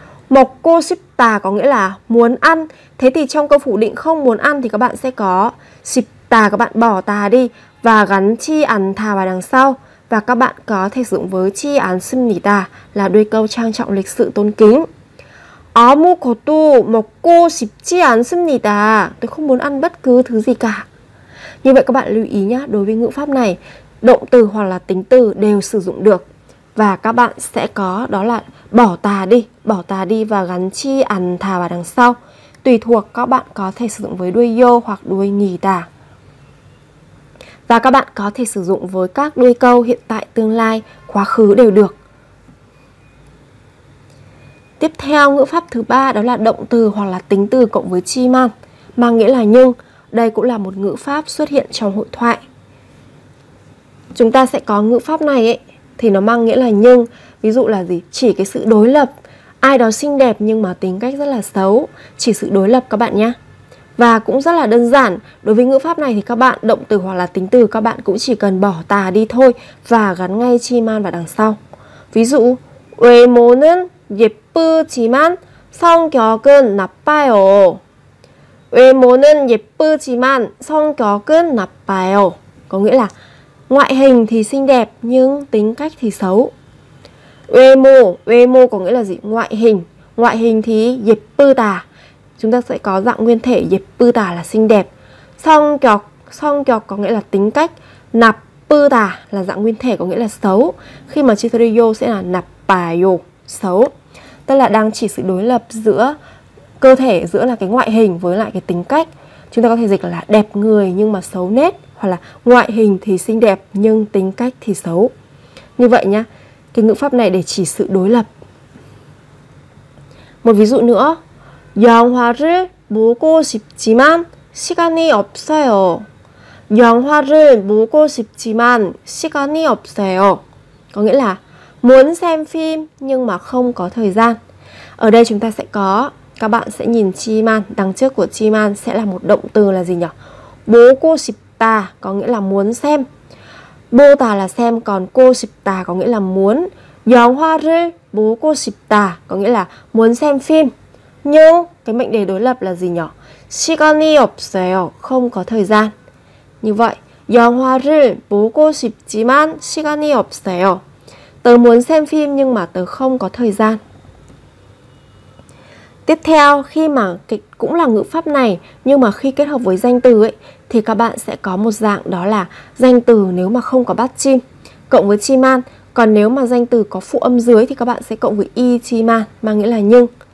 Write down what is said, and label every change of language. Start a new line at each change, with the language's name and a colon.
Vietnamese: Mokku sipta có nghĩa là muốn ăn. Thế thì trong câu phủ định không muốn ăn thì các bạn sẽ có sipta, các bạn bỏ tà đi và gắn chi ăn thà vào đằng sau. Và các bạn có thể sử dụng với chi ansumnida là đuôi câu trang trọng lịch sự tôn kính.
Korean: 아무것도 먹고 싶지 않습니다.
Vietnamese: Tôi không muốn ăn bất cứ thứ gì cả. Như vậy các bạn lưu ý nhé, đối với ngữ pháp này, động từ hoặc là tính từ đều sử dụng được. Và các bạn sẽ có đó là bỏ tà đi và gắn chi ăn thà vào đằng sau. Tùy thuộc các bạn có thể sử dụng với đuôi yo hoặc đuôi nì tà. Và các bạn có thể sử dụng với các đuôi câu hiện tại, tương lai, quá khứ đều được. Tiếp theo, ngữ pháp thứ ba đó là động từ hoặc là tính từ cộng với chi man, mang nghĩa là nhưng. Đây cũng là một ngữ pháp xuất hiện trong hội thoại. Chúng ta sẽ có ngữ pháp này ấy, thì nó mang nghĩa là nhưng. Ví dụ là gì? Chỉ cái sự đối lập. Ai đó xinh đẹp nhưng mà tính cách rất là xấu. Chỉ sự đối lập các bạn nhé. Và cũng rất là đơn giản. Đối với ngữ pháp này thì các bạn động từ hoặc là tính từ các bạn cũng chỉ cần bỏ tà đi thôi và gắn ngay chi man vào đằng sau. Ví dụ,
Korean: 외모는 예쁘지만 성격은 나빠요. 외모는 예쁘지만 성격은 나빠요.
Vietnamese: Có nghĩa là ngoại hình thì xinh đẹp nhưng tính cách thì xấu. 외모, 외모 có nghĩa là gì? Ngoại hình. Ngoại hình thì 예쁘다. Chúng ta sẽ có dạng nguyên thể 예쁘다 là xinh đẹp. 성격, 성격 có nghĩa là tính cách. 나쁘다 là dạng nguyên thể có nghĩa là xấu. Khi mà 치토리요 sẽ là 나빠요, xấu. Tức là đang chỉ sự đối lập giữa cơ thể, giữa là cái ngoại hình với lại cái tính cách. Chúng ta có thể dịch là đẹp người nhưng mà xấu nết, hoặc là ngoại hình thì xinh đẹp nhưng tính cách thì xấu. Như vậy nhá, cái ngữ pháp này để chỉ sự đối lập. Một ví dụ nữa.
Korean: 영화를 보고 싶지만 시간이 없어요. 영화를 보고 싶지만 시간이 없어요.
Vietnamese: Có nghĩa là muốn xem phim nhưng mà không có thời gian. Ở đây chúng ta sẽ có, các bạn sẽ nhìn chi man, đằng trước của chi man sẽ là một động từ là gì nhỉ? Bố cô xịp tà có nghĩa là muốn xem. Bô tà là xem, còn cô xịp tà có nghĩa là muốn. Giọng hoa rê, bố cô xịp tà có nghĩa là muốn xem phim. Nhưng cái mệnh đề đối lập là gì nhỉ?
Korean: 시간이 없어요,
Vietnamese: không có thời gian. Như vậy,
Korean: 영화를 보고 싶지만 시간이 없어요.
Vietnamese: Tớ muốn xem phim nhưng mà tớ không có thời gian. Tiếp theo, khi mà cũng là ngữ pháp này nhưng mà khi kết hợp với danh từ ấy thì các bạn sẽ có một dạng đó là danh từ nếu mà không có bát chim cộng với chi man, còn nếu mà danh từ có phụ âm dưới thì các bạn sẽ cộng với y chi man, mang nghĩa là nhưng.